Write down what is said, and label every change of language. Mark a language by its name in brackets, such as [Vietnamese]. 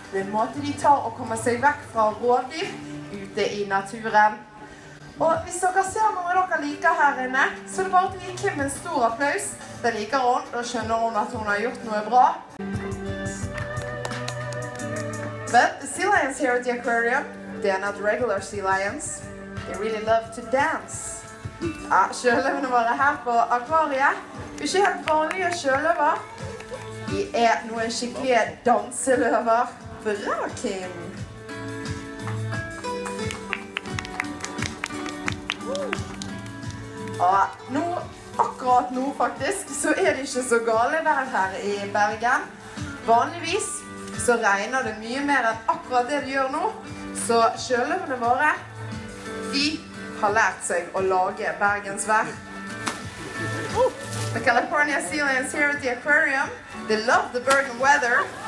[Norwegian] Det er en måte de tar å komme seg vekk fra rovdyr ute i naturen. Og hvis dere ser noe dere liker her inne, så er det bare å gi Kim en stor applaus. Det liker hun, og skjønner hun at hun har gjort noe bra. [English] But the sea lions here at the aquarium, they are not regular sea lions. They really love to dance. [Norwegian] Ja, sjøløvene våre her på akvariet. Vi er ikke helt vanlige sjøløver. De er noen skikkelige danseløver. Bra, Kim! Og nå, akkurat nå faktisk, så er det ikke så gale vær her i Bergen. Vanligvis så regner det mye mer enn akkurat det de gjør nå. Så sjøløvene våre, de har lært seg å lage Bergens vær. [English] The California Sea Lions here at the aquarium, they love the Bergen weather.